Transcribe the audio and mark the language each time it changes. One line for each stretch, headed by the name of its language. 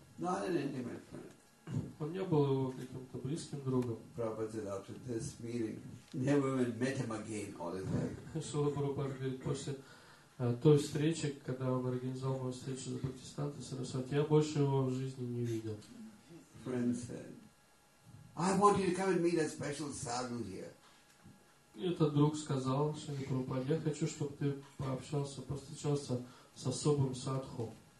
English: Not an intimate friend.
Russian: Он не был его каким-то близким другом.
English: Prabhupada said after this meeting, never even met him again all his life.
Russian: Шрила Прабхупада говорит, после той встречи, когда он организовал мою встречу с Бхактисиддхантой Сарасвати, я больше его в жизни не видел.
English: Friend said, I want you to come and meet a special sadhu here.
Russian: Этот друг сказал Шриле Прабхупаде, я хочу, чтобы ты пообщался, повстречался с особым садху.